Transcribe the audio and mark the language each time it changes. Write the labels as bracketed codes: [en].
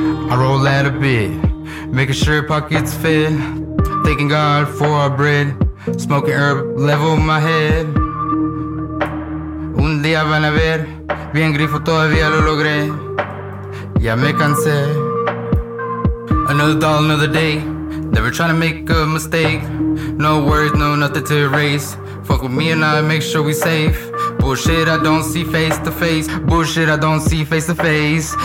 [en] I roll out a bit, making sure pockets fit. Thanking God for our bread, smoking herb level my head. [es] Un día van a ver, bien grifo todavía lo logré. Ya me cansé. [en] Another doll, another day. Never trying to make a mistake. No worries, no nothing to erase. Fuck with me and I make sure we safe. Bullshit I don't see face to face. Bullshit I don't see face to face.